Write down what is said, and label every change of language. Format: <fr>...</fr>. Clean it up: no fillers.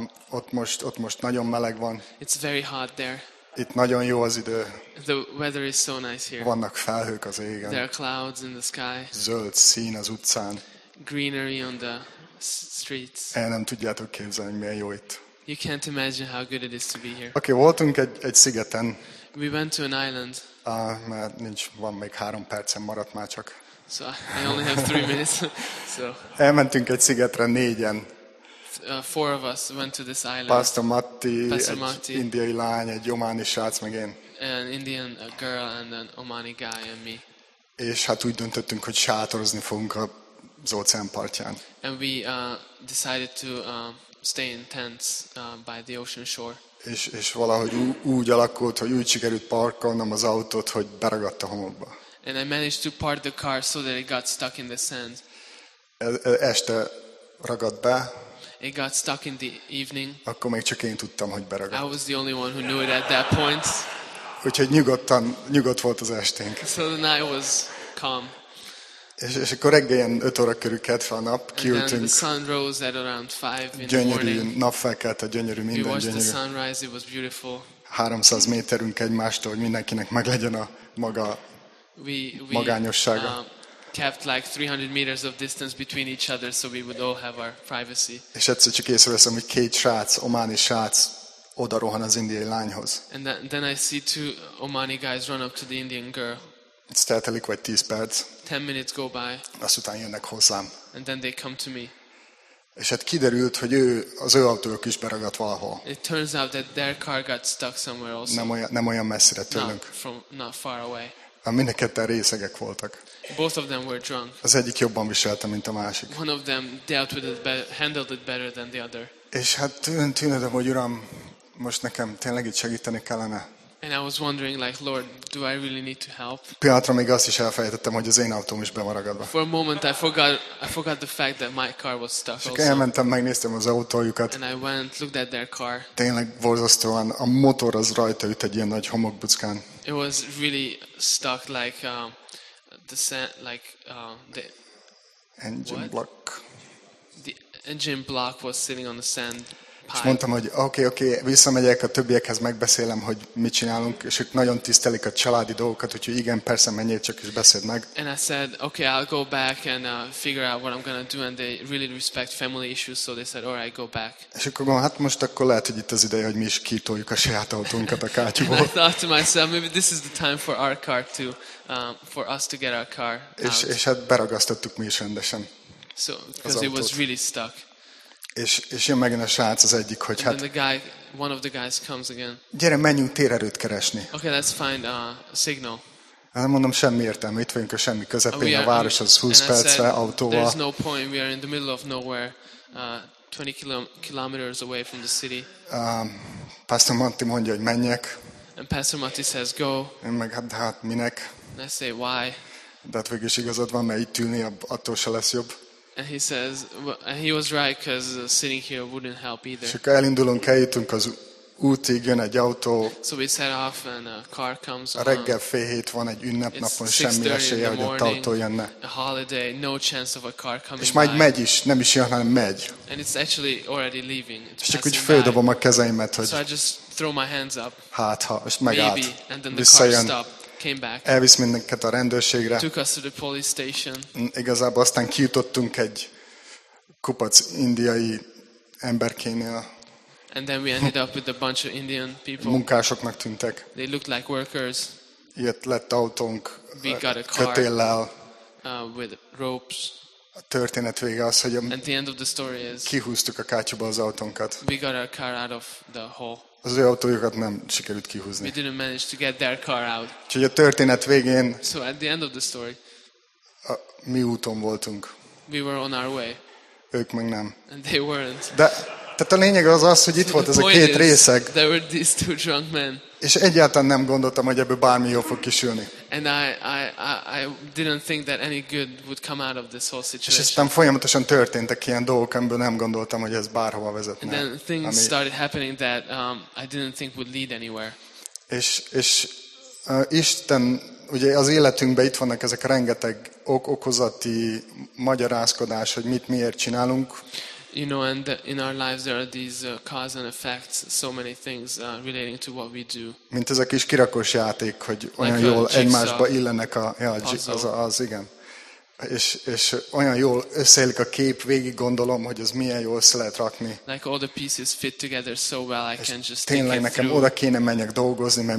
<hu>Ott most nagyon meleg van.</hu> <en>It's very hot there.</en> <hu>Itt nagyon jó az idő.</hu> <en>The weather is so nice here.</en> <hu>Vannak felhők az égen.</hu> <en>There are clouds in the sky.</en> <hu>Zöld szín az utcán.</hu> <en>Greenery on the streets.</en> <hu>El nem tudjátok képzelni, milyen jó itt.</hu> <en>You can't imagine how good it is to be here.</en> <hu>Okay, voltunk egy szigeten.</hu> <en>We went to an island.</en> <hu>Mert nincs, van még három percem, maradt már csak.</hu> <en>So I only have three minutes. So.</en> <hu>Elmentünk egy szigetre négyen.</hu> <en>Four of us went to this island.</en> <hu>Pastor Matti, egy indiai lány, egy ománi srác, meg én.</hu> <en>An Indian girl and an Omani guy and me.</en> <hu>És hát úgy döntöttünk, hogy sátorozni fogunk az óceán partján.</hu> <en>And we decided to stay in tents by the ocean shore.</en> <hu>És valahogy úgy alakult, hogy úgy sikerült parkolnom az autót, hogy beragadt a homokba.</hu> <en>And I managed to park the car so that it got stuck in the sand.</en> <hu>Este ragadt be.</hu> <en>It got stuck in the evening.</en> <hu>Akkor még csak én tudtam, hogy beragadt.</hu> <en>I was the only one who knew it at that point.</en> <hu>Úgyhogy nyugodt volt az esténk.</hu> <en>So the night was calm.</en> <hu>És akkor reggel 5 óra körül kelt fel a nap, kiültünk.</hu> <en>The sun rose at around 5 in</en> <hu>gyönyörű,</hu> <en>the morning.</en> <hu>Nap felkelt, a gyönyörű, minden</hu> <en>we watched</en> <hu>gyönyörű.</hu> <en>The sunrise, it was beautiful.</en> <hu>300 méterünk egymástól, hogy mindenkinek meglegyen a maga</hu> <en>we</en> <hu>magányossága.</hu> <en>Kept like 300 meters of distance between each other, so we would all have our privacy.</en> <hu>És egyszer csak észreveszem, hogy két srác, ománi srác, oda rohan az indiai lányhoz.</hu> <en>And then I see two Omani guys run up to the Indian girl.</en> <hu>It's telik vagy 10 perc.</hu> <en>10 minutes go by.</en> <hu>Azután jönnek hozzám.</hu> <en>And then they come to me.</en> <hu>És hát kiderült, hogy az ő autójuk is beragadt valahol.</hu> <en>It turns out that their car got stuck somewhere also.</en> <hu>Nem olyan messzire tőlünk.</hu> <en>Not far away.</en> <hu>Mind a ketten részegek voltak.</hu> <en>Both of them were drunk.</en> <hu>Az egyik jobban viselte, mint a másik.</hu> <en>One of them dealt with it handled it better than the other.</en> <hu>És hát tűnődöm, hogy Uram, most nekem tényleg itt segíteni kellene.</hu> <en>And I was wondering, like, Lord, do I really need to help?</en> <hu>Pillanatra még azt is elfelejtettem, hogy az én autóm is be van ragadva.</hu> <en>For a moment, I forgot the fact that my car was stuck.</en> <hu>Csak elmentem, megnéztem az autójukat.</hu> <en>And I went, looked at their car.</en> <hu>Tényleg borzasztóan, a motor az rajta üt egy ilyen nagy homokbuckán.</hu> <en>It was really stuck, like the sand, like the engine what? Block. The engine block was sitting on the sand.</en> <hu>És mondtam, hogy okay, visszamegyek a többiekhez, megbeszélem, hogy mit csinálunk, és ők nagyon tisztelik a családi dolgokat, úgyhogy igen, persze, menjél csak és beszéld meg.</hu> <en>And I said, okay, I'll go back and figure out what I'm gonna do, and they really respect family issues, so they said, all right, go back.</en> <hu>És akkor gondolom, hát most akkor lehet, hogy itt az ideje, hogy mi is kitoljuk a saját autónkat a kátyúból.</hu> <en>And I thought to myself, maybe this is the time for our car to, for us to get our car out.</en> <hu>És hát beragasztottuk mi is rendesen.</hu> <en>So, because it was really stuck.</en> <hu>És jön megint a srác az egyik, hogy</hu> <en>and</en> <hu>hát</hu> <en>guy, one of the guys comes again.</en> <hu>Gyere, menjünk térerőt keresni.</hu> <en>Okay, let's find a signal.</en> <hu>Nem mondom, semmi értelme, itt vagyunk a semmi közepén, a város az 20 percre autóval.</hu> <en>There's no point, we are in the middle of nowhere, 20 kilometers away from the city.</en> <hu>Pastor Monty mondja, hogy menjek.</hu> <en>And Pastor Monty says, go.</en> <hu>Én meg hát minek.</hu> <en>And I say, why?</en> <hu>De hát végül is igazad van, mert itt ülni attól se lesz jobb.</hu> <en>And he says, and he was right, because sitting here wouldn't help either.</en> <hu>És akkor elindulunk, eljutunk az útig, jön egy autó.</hu> <en>So we set off and a car comes on.</en> <hu>Reggel 7:30 van egy ünnepnapon, semmi esélye, hogy ott autó jönne.</hu> <en>A holiday, no chance of a car coming.</en> <hu>És majd megy is, nem is jön, hanem megy.</hu> <en>And it's actually already leaving.</en> <hu>És csak úgy földobom a kezeimet, hogy</hu> <en>so I just throw my hands up.</en> <hu>Hát ha, és megállt.</hu> <en>Maybe, and then the car stopped. Came back.</en> <hu>Elvisz mindenket a rendőrségre.</hu> <en>Took us to the police station.</en> <hu>Igazából aztán kijutottunk egy kupac indiai emberkénél.</hu> <en>And then we ended up with a bunch of Indian people.</en> <hu>Munkásoknak tűntek.</hu> <en>They looked like workers.</en> <hu>Jött lett autónk.</hu> <en>We got a car.</en> <hu>Kötéllel.</hu> <en>With ropes.</en> <hu>A történet vége az, hogy</hu> <en>and the end of the story is,</en> <hu>kihúztuk a kátyúba az autónkat.</hu> <en>We got our car out of the hole.</en> <hu>Az ő autójukat nem sikerült kihúzni.</hu> <en>We didn't manage to get their car out.</en> <hu>Úgyhogy a történet végén.</hu> <en>So at the end of the story.</en> <hu>Mi úton voltunk.</hu> <en>We were on our way.</en> <hu>Ők meg nem.</hu> <en>And they weren't.</en> <hu>De tehát a lényeg az az, hogy itt volt ez a két részeg.</hu> <en>There were these two drunk men.</en> <hu>És egyáltalán nem gondoltam, hogy ebből bármi jó fog kisülni.</hu> <en>And I didn't think that any good would come out of this whole situation.</en> <hu>És aztán folyamatosan történtek ilyen dolgok, amiből nem gondoltam, hogy ez bárhova vezetne.</hu> <en>And then things started happening that I didn't think would lead anywhere.</en> <hu>És Isten, ugye az életünkben itt vannak ezek rengeteg okozati magyarázkodás, hogy mit miért csinálunk.</hu> <en>You know, and in our lives there are these cause and effects, so many things relating to what we do.</en> <hu>Mint ez a kis kirakós játék, hogy olyan jól egymásba illenek a, ja, az igen. És olyan jól összeillik a kép, végig gondolom, hogy ez milyen jól össze lehet rakni.</hu> <en>Like all the pieces fit together so well, I can just</en> <hu>think tényleg nekem oda kéne menjek dolgozni, mert</hu>